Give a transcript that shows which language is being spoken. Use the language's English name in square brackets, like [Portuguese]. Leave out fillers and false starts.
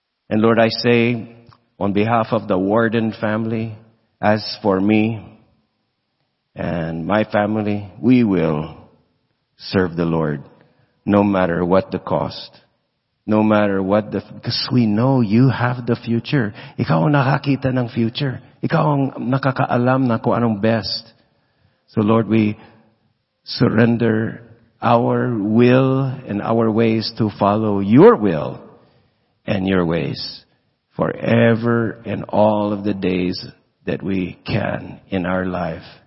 [English] And Lord, I say, on behalf of the Warden family, as for me and my family, we will serve the Lord, no matter what the cost, no matter what the... Because we know You have the future. [Filipino] Ikaw ang nakakita ng future. Ikaw ang nakakaalam na kung anong best. [English] So Lord, we surrender our will and our ways to follow Your will and Your ways forever and all of the days that we can in our life.